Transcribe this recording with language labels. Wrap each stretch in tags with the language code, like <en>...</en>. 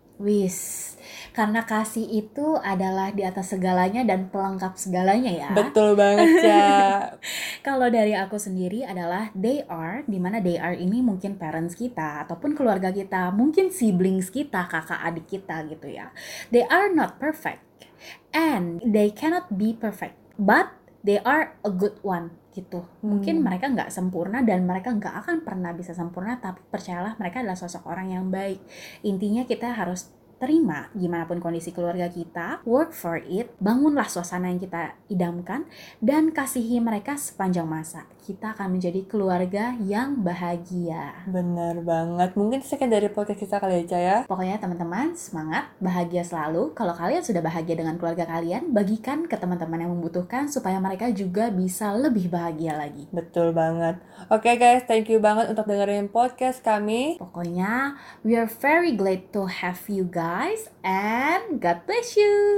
<id>Wis, karena kasih itu adalah di atas segalanya dan pelengkap segalanya ya. Betul banget ya. Kalau dari aku sendiri adalah</id> <en>they are,</en> <id>di mana they are ini mungkin parents kita ataupun keluarga kita, mungkin siblings kita, kakak adik kita gitu ya.</id> <en>They are not perfect and they cannot be perfect, but they are a good one</en> <id>gitu. Mungkin mereka gak sempurna dan mereka gak akan pernah bisa sempurna, tapi percayalah mereka adalah sosok orang yang baik. Intinya kita harus terima gimana pun kondisi keluarga kita,</id> <en>work for it,</en> <id>bangunlah suasana yang kita idamkan, dan kasihi mereka sepanjang masa. Kita akan menjadi keluarga yang bahagia. Benar banget. Mungkin sekian dari podcast kita kali aja ya. Pokoknya teman-teman, semangat, bahagia selalu. Kalau kalian sudah bahagia dengan keluarga kalian, bagikan ke teman-teman yang membutuhkan supaya mereka juga bisa lebih bahagia lagi. Betul banget.</id> <en>Oke guys, thank you</en> <id>banget untuk dengerin podcast kami. Pokoknya,</id> <en>we are very glad to have you guys, and God bless you.</en>